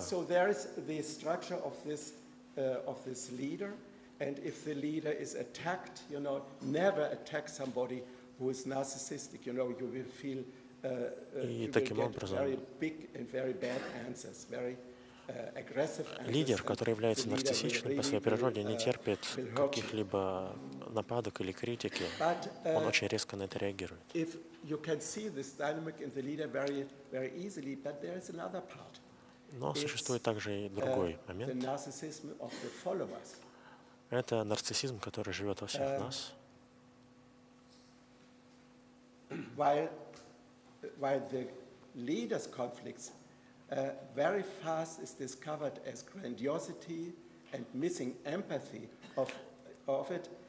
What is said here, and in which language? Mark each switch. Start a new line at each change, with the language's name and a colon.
English: So there is the structure of this leader, and if the leader is attacked, you know, never attack somebody who is narcissistic. You know, you will feel very big and very bad answers, very aggressive answers.
Russian: Лидер, который является нарциссичным по своей природе, не терпит каких-либо нападок или критики. Он очень резко на это реагирует.
English: You can see this dynamic in the leader very, very easily, but there is another part.
Russian: Но существует также и другой момент.
English: The narcissism of the followers.
Russian: Это нарциссизм, который живет во всех нас.
English: While the leader's conflicts very fast is discovered as grandiosity and missing empathy of it.